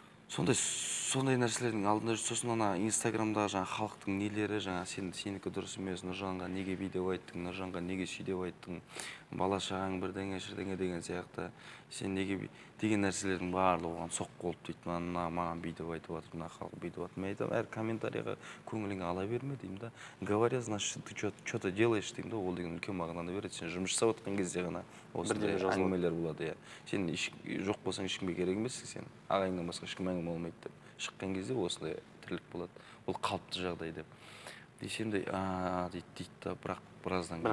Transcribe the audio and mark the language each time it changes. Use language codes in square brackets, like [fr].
[kk] Сондай нәрселердің алдында жүр. Сосын ана инстаграмдағы жаңағы халықтың нелері, жаңағы сенікі дұрыс емес, Нұржанға неге бүй деп айттың, Нұржанға неге сүй деп айттың, бала шағаң бірдеңе шірдеңе деген сияқты, сен неге бүй деген нәрселердің барлығы оған соққы болып дейді. Маған бүй деп айтып жатыр, мына халық бүй деп жатыр. Мен айтамын, әр комментарияға көңіліңе ала берме деймін да. [ru] Говори, значит, ты что то делаешь [kk] деймін да. Ол деген үлкен мағынаны береді. Сен жұмыс жасап жатқан кезде ғана осындай әңгімелер болады, иә. Сен жоқ болсаң ешкімге керек емессің, сен ағайыннан басқа ешкім әңгіме болмайды деп шыққан кезде осындай тірлік болады. Ол қалыпты жағдай деп десем де дейді да, бірақ біраздан